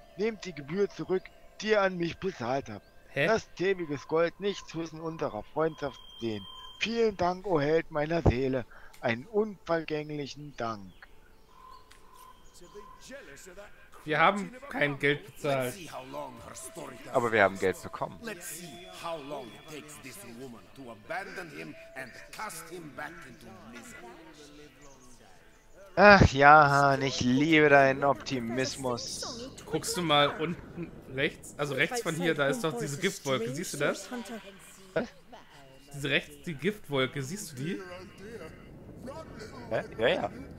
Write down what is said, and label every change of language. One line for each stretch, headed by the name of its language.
German: Nehmt die Gebühr zurück, die ihr an mich bezahlt habt. Hä? Lasst tätiges Gold nicht zwischen unserer Freundschaft stehen. Vielen Dank, o Held meiner Seele. Einen unvergänglichen Dank. Wir haben kein Geld bezahlt. Aber wir haben Geld bekommen.
English: Let's see how long it takes this woman to abandon him and cast him back into misery.
German: Ach ja, Han, ich liebe deinen Optimismus. Guckst du mal unten rechts, also rechts von hier, da ist doch diese Giftwolke, siehst du das? Diese rechts, die Giftwolke, siehst du die? Hä? Ja, ja.